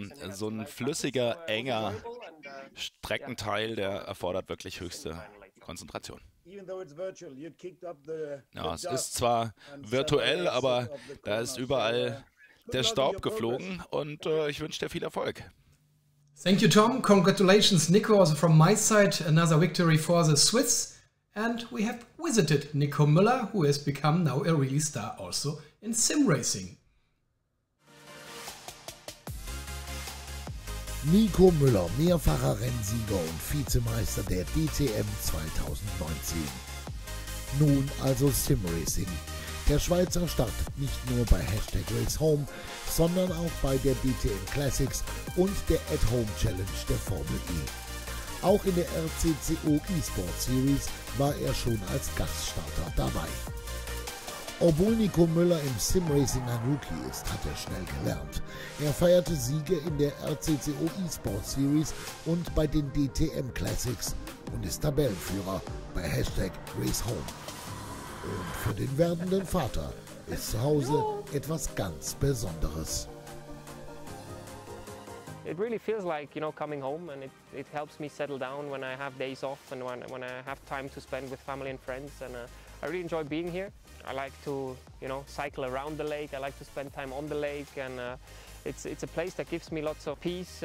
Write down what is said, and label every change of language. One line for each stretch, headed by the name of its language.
German: So ein flüssiger, enger Streckenteil, der erfordert wirklich höchste Konzentration. Ja, es ist zwar virtuell, aber da ist überall der Staub geflogen und ich wünsche dir viel Erfolg.
English: Thank you, Tom. Congratulations, Nico. Also from my side, another victory for the Swiss. And we have visited Nico Müller, who has become now a really star also in sim racing.
German: Nico Müller, mehrfacher Rennsieger und Vizemeister der DTM 2019. Nun also Sim Racing. Der Schweizer startet nicht nur bei Hashtag Race Home, sondern auch bei der DTM Classics und der At Home Challenge der Formel E. Auch in der RCCO eSport Series war er schon als Gaststarter dabei. Obwohl Nico Müller im Simracing ein Rookie ist, hat er schnell gelernt. Er feierte Siege in der RCCO eSport Series und bei den DTM Classics und ist Tabellenführer bei Hashtag Race Home. Und für den werdenden Vater ist zu Hause etwas ganz Besonderes.
English: It really feels like, you know, coming home, and it helps me settle down when I have days off and when I have time to spend with family and friends. And I really enjoy being here. I like to, you know, cycle around the lake. I like to spend time on the lake, and it's a place that gives me lots of peace.